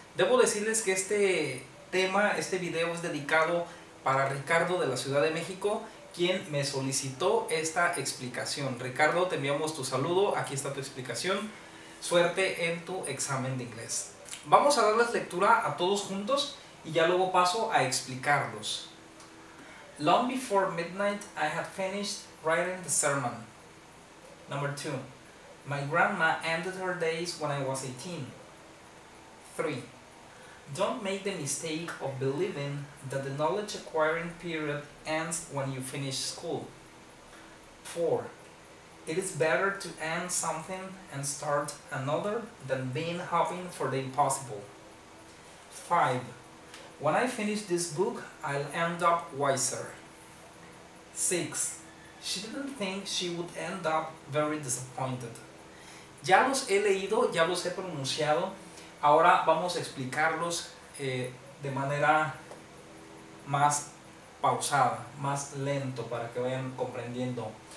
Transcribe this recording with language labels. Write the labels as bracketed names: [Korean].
[Spanish] Debo decirles que este tema, este video es dedicado para Ricardo de la Ciudad de México, quien me solicitó esta explicación. Ricardo, te enviamos tu saludo, aquí está tu explicación. Suerte en tu examen de inglés. Vamos a darles lectura a todos juntos y ya luego paso a explicarlos. [English] Long before midnight, I had finished writing the sermon. Number 2. My grandma ended her days when I was 18. 3. Don't make the mistake of believing that the knowledge acquiring period ends when you finish school. 4. It is better to end something and start another than being hoping for the impossible. 5. When I finish this book, I'll end up wiser. 6. She didn't think she would end up very disappointed. [Spanish] Ya los he leído, ya los he pronunciado. Ahora vamos a explicarlos de manera más pausada, más lento, para que vayan comprendiendo.